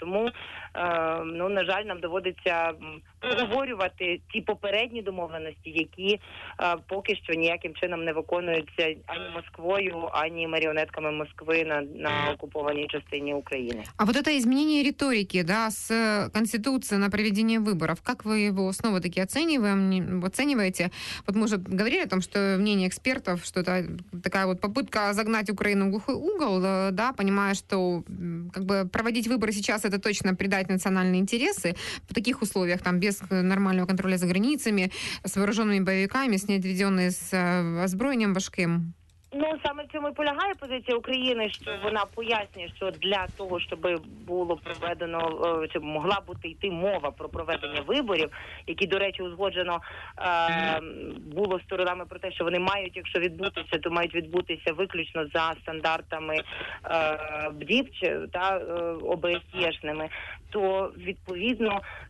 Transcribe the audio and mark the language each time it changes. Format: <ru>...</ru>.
<uk>Тому, ну, на жаль, нам доводиться проговорювати ті попередні домовленості, які поки що ніяким чином не виконуються ані Москвою, ані маріонетками Москви на окупованій частині України. А от це змінення риторики, да, з Конституції на проведення виборів, як ви його знову таки оцінюєте? От ми вже говорили про те, що мнення експертів, що це така от</uk> <ru>попытка загнать Украину в глухой угол, да, понимая, что как бы проводить выборы сейчас это точно предать национальные интересы в таких условиях, там, без нормального контроля за границами, с вооруженными боевиками, с неотведенной с</ru> <uk>озброєнням важким. Ну, саме в цьому і полягає позиція України, що вона пояснює, що для того, щоб було проведено, щоб могла бути йти мова про проведення виборів, які, до речі, узгоджено було сторонами про те, що вони мають, якщо відбутися, то мають відбутися виключно за стандартами БДІП чи та ОБСЄшними, то відповідно</uk>